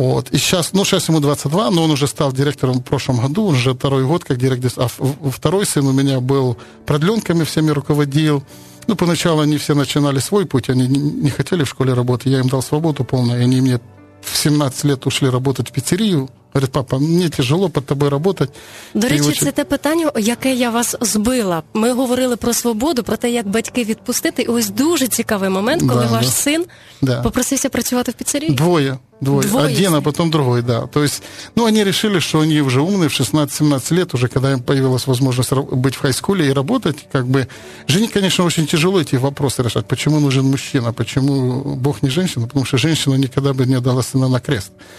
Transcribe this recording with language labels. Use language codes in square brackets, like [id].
[ru] И сейчас, сейчас ему 22, но он уже стал директором в прошлом году, он уже второй год как директор. А второй сын у меня был продленками, всеми руководил. Поначалу они все начинали свой путь, они не хотели в школе работать, я им дал свободу полную, и они мне в 17 лет ушли работать в пиццерию. Говорит, папа, мне тяжело под тобой работать. [uk] До речі, це те питання, яке я вас збила. Ми говорили про свободу, про те, як батьки відпустити. І ось дуже цікавий момент, коли ваш син попросився працювати в піцерії. [ru] Двоє. Один, а потом другой, да. То есть, они решили, что они уже умные, в 16-17 лет уже, когда им появилась возможность быть в хай-скуле и работать, как бы... Жене, конечно, очень тяжело эти вопросы решать. Почему нужен мужчина? Почему Бог не женщина? Потому что женщина никогда бы не отдала сына на крест.